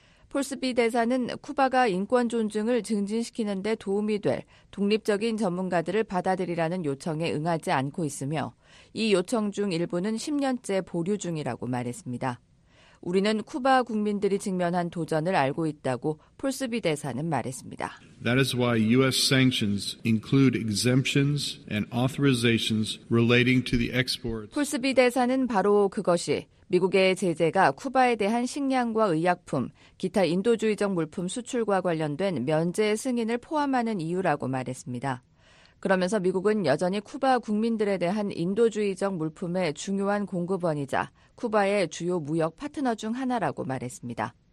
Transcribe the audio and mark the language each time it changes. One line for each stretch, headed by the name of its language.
Korean: 폴스비 대사는 쿠바가 인권 존중을 증진시키는 데 도움이 될 독립적인 전문가들을 받아들이라는 요청에 응하지 않고 있으며 이 요청 중 일부는 10년째 보류 중이라고 말했습니다. 우리는 쿠바 국민들이 직면한 도전을 알고 있다고 폴스비 대사는 말했습니다.
English: That is why U.S. sanctions include exemptions and authorizations relating to the export.
Korean: 폴스비 대사는 바로 그것이 미국의 제재가 쿠바에 대한 식량과 의약품, 기타 인도주의적 물품 수출과 관련된 면제 승인을 포함하는 이유라고 말했습니다. 그러면서 미국은 여전히 쿠바 국민들에 대한 인도주의적 물품의 중요한 공급원이자 쿠바의 주요 무역 파트너 중 하나라고 말했습니다.